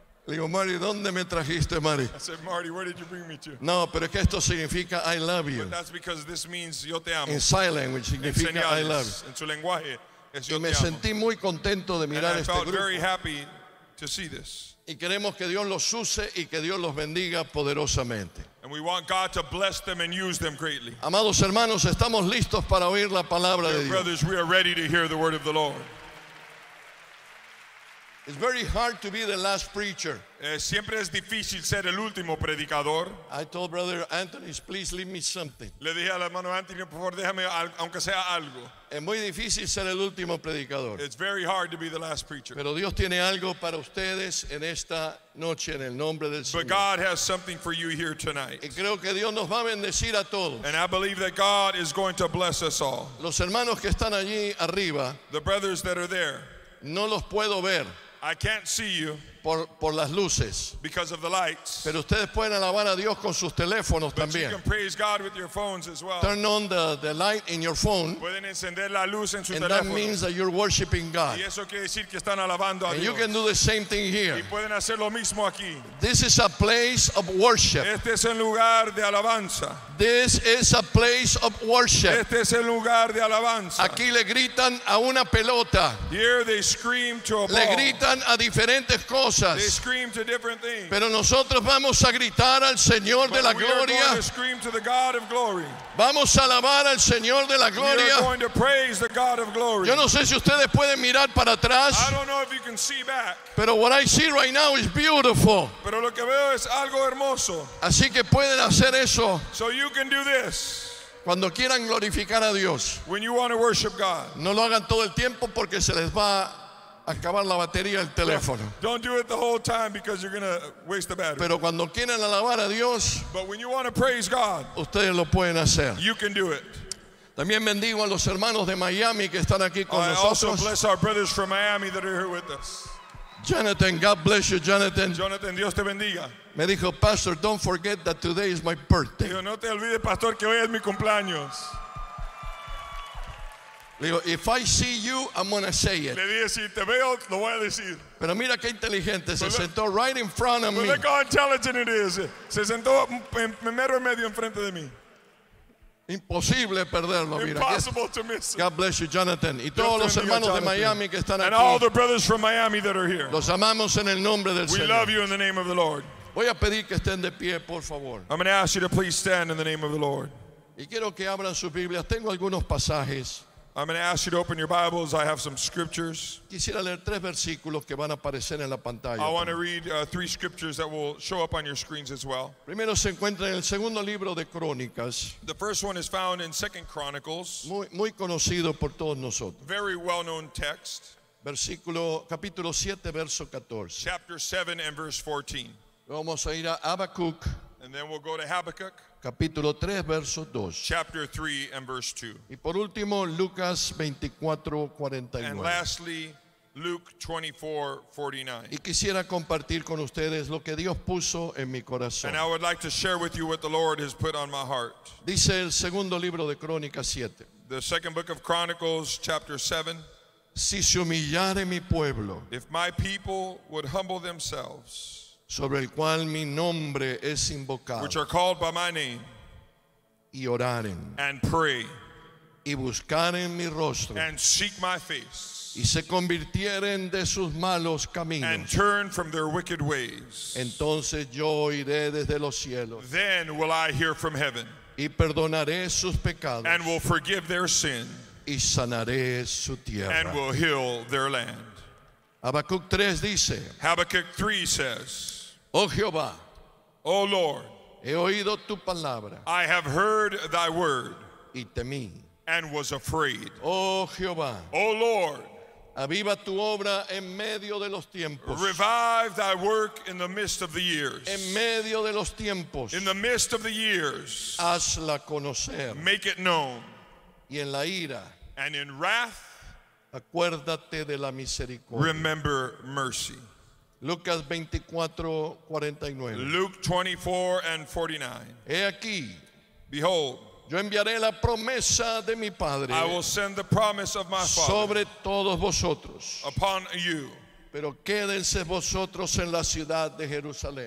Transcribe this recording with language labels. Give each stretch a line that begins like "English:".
Spanish: Le digo, Marty, ¿dónde me trajiste, Marty?
English: I said, Marty, where did you bring me to?
Spanish: No, pero es que esto significa
English: I love you. But that's because this means
Spanish: yo te amo.
English: In sign language,
Spanish: significa señales,
English: I love you.
Spanish: En su lenguaje, es yo y me amo. Sentí muy contento de mirar este grupo.
English: And I felt very happy to see this.
Spanish: Y queremos que Dios los use y que Dios los bendiga poderosamente.
English: And we want God to bless them and use them greatly.
Spanish: Amados hermanos, estamos listos para oír la palabra de Dios.
English: Brothers, we are ready to hear the word of the Lord. It's very hard to be the last preacher.
Spanish: Siempre es difícil ser el último predicador.
English: I told Brother Anthony, please leave me something.
Spanish: Le dije al hermano Anthony, por favor, déjame aunque sea algo. Es muy difícil ser el último predicador.
English: It's very hard to be the last preacher.
Spanish: Pero Dios tiene algo para ustedes en esta noche en el nombre del Señor.
English: But God has something for you here tonight.
Spanish: Y creo que Dios nos va a bendecir a todos.
English: And I believe that God is going to bless us all.
Spanish: Los hermanos que están allí arriba.
English: The brothers that are there.
Spanish: No los puedo ver.
English: I can't see you
Spanish: por las luces.
English: Because of the lights.
Spanish: Pero ustedes pueden alabar a Dios con sus teléfonos
English: but
Spanish: también.
English: You can praise God with your phones as well. Turn on the light in your phone.
Spanish: Pueden encender la luz en su
English: and
Spanish: teléfono.
English: That means that you're worshiping God.
Spanish: Y eso quiere decir que están alabando a
English: and
Spanish: Dios.
English: You can do the same thing here.
Spanish: Y pueden hacer lo mismo aquí.
English: This is a place of worship.
Spanish: Este es el lugar de alabanza.
English: This is a place of worship.
Spanish: Este es el lugar de alabanza. Aquí le gritan a una pelota.
English: Here they scream to a ball.
Spanish: Le gritan a diferentes cosas.
English: They scream to different things.
Spanish: Pero nosotros vamos a gritar al Señor
English: but
Spanish: de la gloria.
English: We are going to scream to the God of glory.
Spanish: Vamos a alabar al Señor de la gloria.
English: We are going to praise the God of glory.
Spanish: Yo no sé si ustedes pueden mirar para atrás.
English: I don't know if you can see back.
Spanish: Pero
English: what I see right now is beautiful.
Spanish: Pero lo que veo es algo hermoso. Así que pueden hacer eso.
English: So you can do this.
Spanish: Cuando quieran glorificar a Dios.
English: When you want to worship God.
Spanish: No lo hagan todo el tiempo porque se les va a acabar la batería del teléfono.
English: Don't do it the whole time because you're going to waste the battery.
Spanish: Pero cuando quieran alabar a Dios.
English: But when you want to praise God.
Spanish: Ustedes lo pueden hacer.
English: You can do it.
Spanish: También bendigo a los hermanos de Miami que están aquí con nosotros.
English: I also bless our brothers from Miami that are here with us. Jonathan, God bless you, Jonathan.
Spanish: Jonathan, Dios te bendiga. Me dijo,
English: Pastor, don't forget that today is my birthday.
Spanish: Digo, no te olvides, Pastor, que hoy es mi cumpleaños. Le digo,
English: if I see you, I'm going to say it.
Spanish: Le dije, si te veo, lo voy a decir. Pero mira qué inteligente, se sentó
English: right in front of me. Look how intelligent it is.
Spanish: Se sentó primero en medio enfrente de mí. Imposible perderlo, mira.
English: Impossible to miss it. God bless you, Jonathan.
Spanish: Y todos los hermanos de Miami que están aquí.
English: And all the brothers from Miami that are here.
Spanish: Los amamos en el nombre del Señor.
English: We love you in the name of the Lord.
Spanish: Voy a pedir que estén de pie, por favor.
English: I'm going to ask you to please stand in the name of the Lord.
Spanish: Y quiero que abran sus Biblias. Tengo algunos pasajes.
English: I'm going to ask you to open your Bibles. I have some scriptures.
Spanish: Quisiera leer tres versículos que van a aparecer en la pantalla.
English: I want to read three scriptures that will show up on your screens as well.
Spanish: Primero se encuentra en el segundo libro de Crónicas.
English: The first one is found in 2 Chronicles.
Spanish: Muy conocido por todos nosotros.
English: Very well-known text.
Spanish: Versículo, capítulo 7, verso 14.
English: Chapter 7 and verse 14.
Spanish: Vamos a ir a Habacuc.
English: And then we'll go to Habakkuk.
Spanish: Capítulo 3, verso 2.
English: Chapter 3 and verse 2.
Spanish: Y por último, Lucas 24:49.
English: And lastly, Luke 24:49.
Spanish: Y quisiera compartir con ustedes lo que Dios puso en mi corazón.
English: And I would like to share with you what the Lord has put on my heart.
Spanish: Dice el segundo libro de Crónicas 7.
English: The second book of Chronicles, chapter 7.
Spanish: Si se humillare mi pueblo.
English: If my people would humble themselves.
Spanish: Sobre el cual mi nombre es invocado.
English: Which are called by my name.
Spanish: Y oraren.
English: And pray.
Spanish: Y buscaren mi rostro.
English: And seek my face.
Spanish: Y se convirtieren de sus malos caminos.
English: And turn from their wicked ways.
Spanish: Entonces yo oiré desde los cielos.
English: Then will I hear from heaven.
Spanish: Y perdonaré sus pecados.
English: And will forgive their sin.
Spanish: Y sanaré su tierra.
English: And will heal their land.
Spanish: Habacuc 3 dice,
English: Habakkuk 3 says,
Spanish: Oh Jehová,
English: Oh Lord,
Spanish: he oído tu palabra,
English: I have heard thy word,
Spanish: y temí,
English: and was afraid.
Spanish: Oh Jehová,
English: Oh Lord,
Spanish: aviva tu obra en medio de los tiempos.
English: Revive thy work in the midst of the years.
Spanish: En medio de los tiempos.
English: In the midst of the years.
Spanish: Hazla conocer.
English: Make it known.
Spanish: Y en la ira.
English: And in wrath.
Spanish: Acuérdate de la misericordia.
English: Remember mercy.
Spanish: Lucas 24:49.
English: Luke 24 and 49.
Spanish: He aquí.
English: Behold.
Spanish: Yo enviaré la promesa de mi padre.
English: I will send the promise of my father.
Spanish: Sobre todos vosotros.
English: Upon you.
Spanish: Pero quédense vosotros en la ciudad de Jerusalén.